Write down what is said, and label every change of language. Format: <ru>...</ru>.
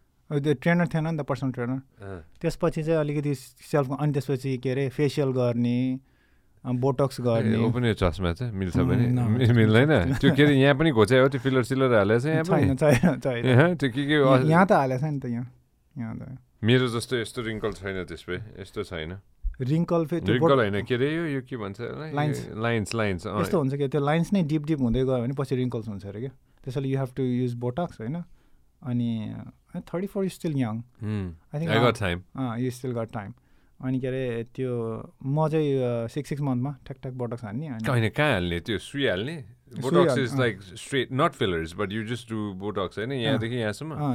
<ne>त्यो ट्रेनर थिएन नि त पर्सनल ट्रेनर त्यसपछि चाहिँ अलिकति सेल्फ अनि त्यसपछि के अरे फेसियल गर्ने बोटक्स गर्ने ऊ पनि चस्मा छ मिल्छ पनि मिल्दैन त्यो के अरे यहाँ पनि घोच्यायो हो त्यो फिलर सिलर हालेको छ यहाँ त हालेको छ नि त यहाँ त मेरो जस्तो यस्तो रिङ्कल छैन त्यसपछि यस्तो छैन रिङ्कल होइन के अरे यो के भन्छ लाइन्स यस्तो हुन्छ क्या त्यो लाइन्स नै डिप हुँदै गयो भने पछि रिङ्कल्स हुन्छ अरे क्या त्यसैले</ne> <en>you have to use Botox</en> <ne>होइन अनि</ne> <en>34 is still young. I got time. You still got time.</en> <ne>अनि के अरे त्यो म चाहिँ सिक्स मन्थमा ठ्याक ठ्याक बोटक्स हाल्ने होइन कहाँ हाल्ने त्यो सुई हाल्ने Botox</ne> <en>is like straight not fillers but you just do Botox</en> <ne>होइन यहाँदेखि यहाँसम्म</ne>